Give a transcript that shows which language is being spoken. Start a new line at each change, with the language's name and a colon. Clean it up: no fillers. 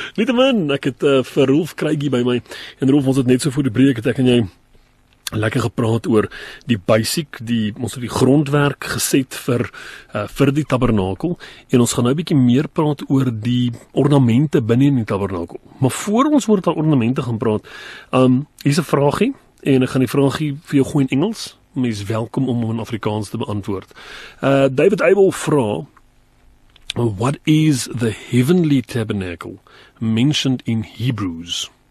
Afrikaans: Nietemin, ek het vir Roelf Craig by my, en Roelf, ons het net so voor die breek, het ek en jy lekker gepraat oor die basic, die, ons het die grondwerk geset vir die tabernakel, en ons gaan nou bietjie meer praat oor die ornamente binnen in die tabernakel. Maar voor ons word daar ornamente gaan praat, hier is een vraagie, en ek gaan die vraagie vir jou gooi in Engels, mens welkom om in Afrikaans te beantwoord. David Abel vra,
English: what is the heavenly tabernacle mentioned in Hebrews?